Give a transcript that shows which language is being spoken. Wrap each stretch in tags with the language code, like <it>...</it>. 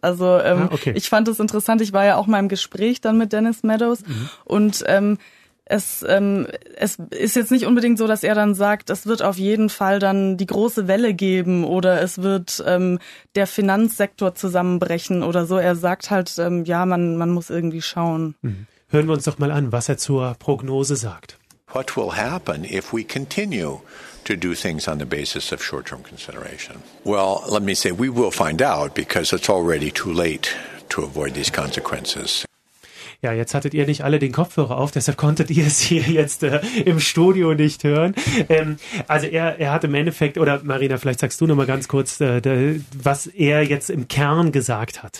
<de>Also ich fand es interessant. Ich war ja auch mal im Gespräch dann mit Dennis Meadows und es ist jetzt nicht unbedingt so, dass er dann sagt, es wird auf jeden Fall dann die große Welle geben oder es wird der Finanzsektor zusammenbrechen oder so. Er sagt halt, man muss irgendwie schauen. Hören wir uns doch mal an, was er zur Prognose sagt.</de> <en>What will happen if we continue to do things on the basis of short-term consideration? Well, let me say, we will find out because it's already too late to avoid these consequences.</en> <de>Ja, jetzt hattet ihr nicht alle den Kopfhörer auf, deshalb konntet ihr es hier jetzt im Studio nicht hören. Also er hat im Endeffekt, oder Marina, vielleicht sagst du nochmal ganz kurz, was er jetzt im Kern gesagt hat.</de>